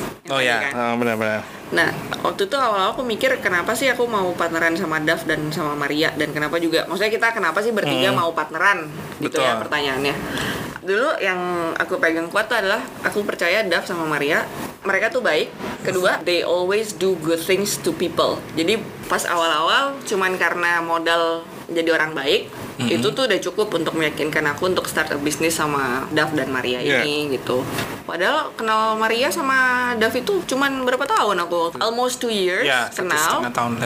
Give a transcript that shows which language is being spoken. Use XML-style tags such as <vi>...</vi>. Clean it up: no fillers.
<id>Oh ya, kan? Benar-benar. Nah, waktu itu awal-awal aku mikir kenapa sih aku mau partneran sama Dav dan sama Maria, dan kenapa juga, maksudnya kita kenapa sih bertiga mau partneran? Gitu. Betul. Ya pertanyaannya. Dulu yang aku pegang kuat adalah aku percaya Dav sama Maria, mereka tuh baik. Kedua,</id> <en>they always do good things to people.</en> <id>Jadi pas awal-awal cuman karena modal jadi orang baik, itu tuh udah cukup untuk meyakinkan aku untuk</id> <en>start a business</en> <id>sama Dav dan Maria ini gitu. Padahal kenal Maria sama Dav itu cuman berapa tahun aku?</id> <en>Almost 2 years</en> <id>kenal. Setengah tahun.</id>